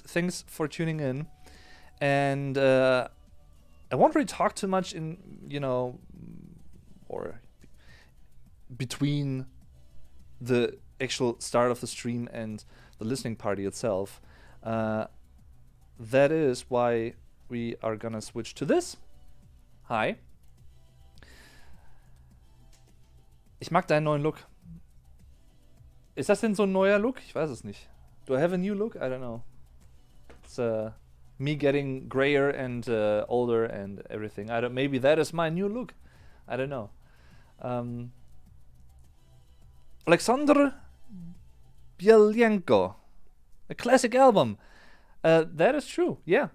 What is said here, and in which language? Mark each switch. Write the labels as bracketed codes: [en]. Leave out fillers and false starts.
[en] Thanks for tuning in. And I won't really talk too much in, you know, or between the actual start of the stream and the listening party itself. That is why we are gonna switch to this. Hi. [de] Ich mag deinen neuen Look. [en] Is that [de] denn so ein neuer Look? Ich weiß es nicht. [en] Do I have a new look? I don't know. It's me getting grayer and older and everything. I don't. Maybe that is my new look. I don't know. Alexander Bielenko, a classic album. That is true. Yeah.